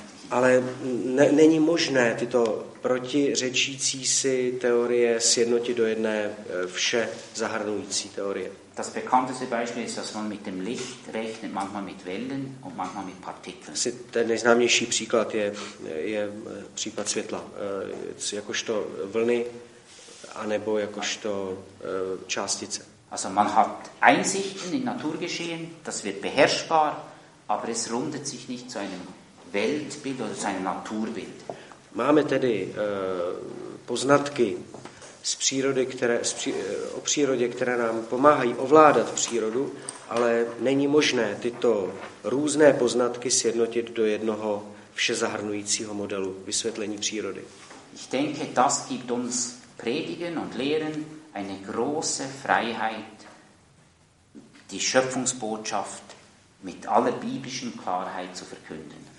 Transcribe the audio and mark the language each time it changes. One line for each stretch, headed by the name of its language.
Czech: Ale není možné tyto protiřečící si teorie sjednotit do jedné vše zahrnující teorie.
German: Das bekannteste Beispiel ist, dass man mit dem Licht rechnet, manchmal mit Wellen und manchmal mit Partikeln.
Czech: Asi ten nejznámější příklad je případ světla, jakožto vlny anebo jakožto částice.
German: Also man hat Einsichten in Naturgeschehen, das wird beherrschbar, aber es rundet sich nicht zu einem Weltbild oder zu einem Naturbild.
Czech: Máme tedy poznatky z přírody, o přírodě, které nám pomáhají ovládat přírodu, ale není možné tyto různé poznatky sjednotit do jednoho všezahrnujícího modelu vysvětlení přírody.
German: Ich denke, das gibt uns Predigen und Lehren eine große Freiheit, die Schöpfungsbotschaft mit aller biblischen Klarheit zu verkünden.